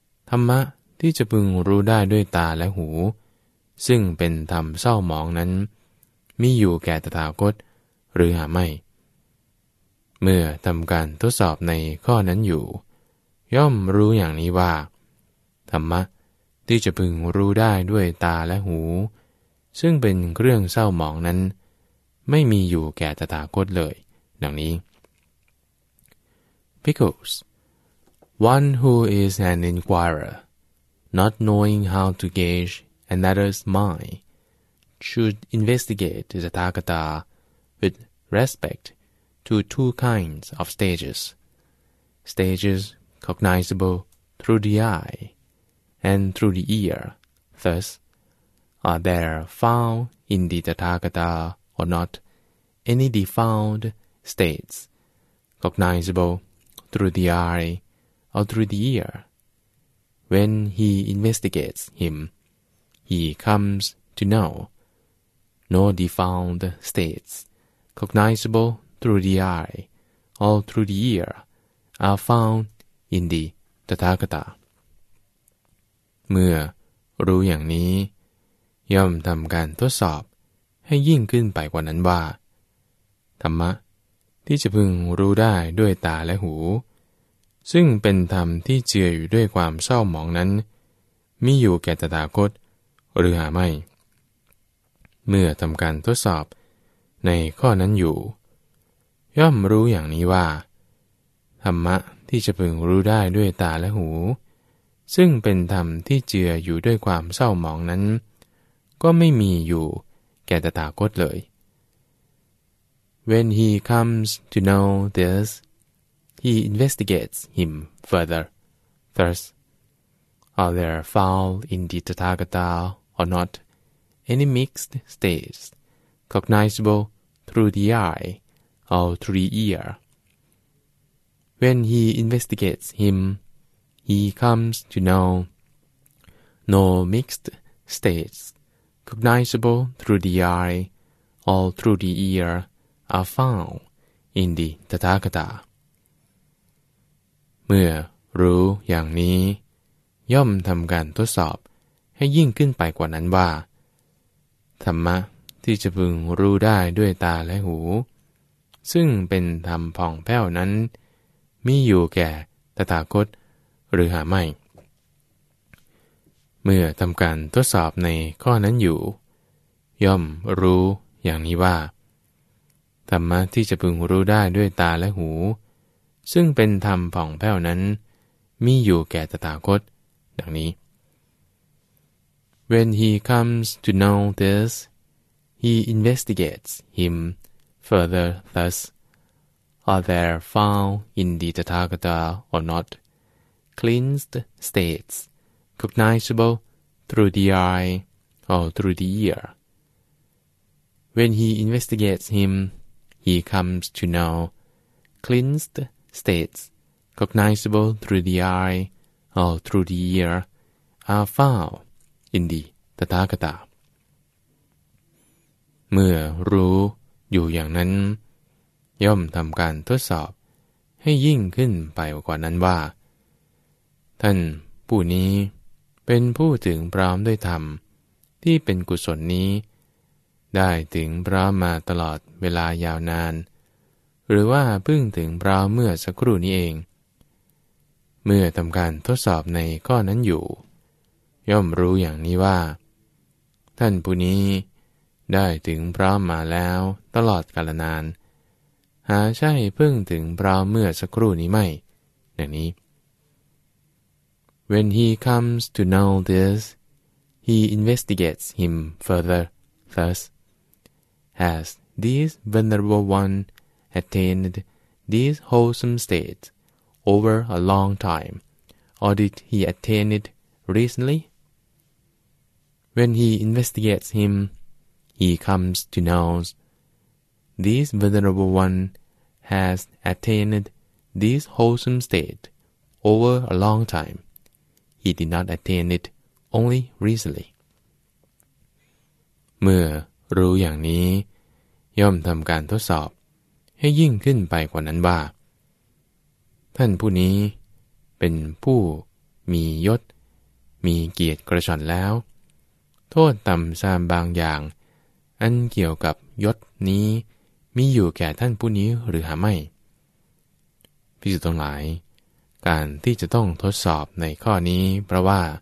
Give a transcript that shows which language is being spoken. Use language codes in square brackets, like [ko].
[th] ธรรมะที่จะพึงรู้ได้ด้วยตาและหูซึ่งเป็นธรรมเศร้าหมองนั้นมีอยู่แก่ตถาคตหรือหาไม่เมื่อทำการทดสอบในข้อนั้นอยู่ย่อมรู้อย่างนี้ว่าธรรมะ ที่จะพึงรู้ได้ด้วยตาและหูซึ่งเป็นเครื่องเศร้าหมองนั้นไม่มีอยู่แก่ตถาคตเลยดังนี้ [en] Because one who is an inquirer, not knowing how to gauge another's mind, should investigate the Tathagata with respect to two kinds of stages. Stages cognizable through the eye and through the ear, thus, are there found in the Tathagata or not any defiled states cognizable through the eye or through the ear? When he investigates him, he comes to know no defiled states cognizable through the eye or through the ear are found in the Tathagata. [th] เมื่อรู้อย่างนี้ย่อมทำการทดสอบให้ยิ่งขึ้นไปกว่านั้นว่าธรรมะที่จะพึงรู้ได้ด้วยตาและหูซึ่งเป็นธรรมที่เจืออยู่ด้วยความเศร้าหมองนั้นมีอยู่แก่ตถาคตหรือหาไม่ เมื่อทำการทดสอบในข้อนั้นอยู่ย่อมรู้อย่างนี้ว่าธรรมะที่จะพึงรู้ได้ด้วยตาและหูซึ่งเป็นธรรมที่เจืออยู่ด้วยความเศร้าหมองนั้นก็ไม่มีอยู่แก่ตถาคตเลย [en] When he comes to know this, he investigates him further. Thus, are there foul in the Tathagata or not any mixed states cognizable through the eye or through the ear? When he investigates him,He comes to know no mixed states cognizable through the eye or through the ear are found in the Tathagata. [th] เมื่อรู้อย่างนี้ย่อมทำการทดสอบให้ยิ่งขึ้นไปกว่านั้นว่าธรรมะที่จะพึงรู้ได้ด้วยตาและหูซึ่งเป็นธรรมผ่องแผ้วนั้นมีอยู่แก่ตถาคตหรือหาไม่ เมื่อทำการทดสอบในข้อนั้นอยู่ย่อมรู้อย่างนี้ว่าธรรมะที่จะพึงรู้ได้ด้วยตาและหูซึ่งเป็นธรรมผ่องแผ้วนั้นมีอยู่แก่ตถาคตดังนี้ [en] When he comes to know this, he investigates him further thus, are there found in the Tathagata or not? Cleansed states, cognizable through the eye or through the ear. When he investigates him, he comes to know cleansed states, cognizable through the eye or through the ear, are found in the Tathagata. [th] เมื่อรู้อยู่อย่างนั้นย่อมทำการทดสอบให้ยิ่งขึ้นไปกว่านั้นว่าท่านผู้นี้เป็นผู้ถึงพร้อมด้วยธรรมที่เป็นกุศลนี้ได้ถึงพร้อมมาตลอดเวลายาวนานหรือว่าเพิ่งถึงพร้อมเมื่อสักครู่นี้เอง เมื่อทำการทดสอบในข้อนั้นอยู่ย่อมรู้อย่างนี้ว่าท่านผู้นี้ได้ถึงพร้อมมาแล้วตลอดกาลนานหาใช่เพิ่งถึงพร้อมเมื่อสักครู่นี้ไม่ดังนี้ [en] When he comes to know this, he investigates him further, thus, has this venerable one attained this wholesome state over a long time, or did he attain it recently? When he investigates him, he comes to know this venerable one has attained this wholesome state over a long time. He did not attain it only recently. [th] เมื่อรู้อย่างนี้ย่อมทำการทดสอบให้ยิ่งขึ้นไปกว่านั้นว่าท่านผู้นี้เป็นผู้มียศมีเกียรติกระชอนแล้วโทษต่ำซามบางอย่างอันเกี่ยวกับยศนี้มีอยู่แก่ท่านผู้นี้หรือหาไม่ภิกษุทั้งหลายการที่จะต้องทดสอบในข้อนี้เพราะว่า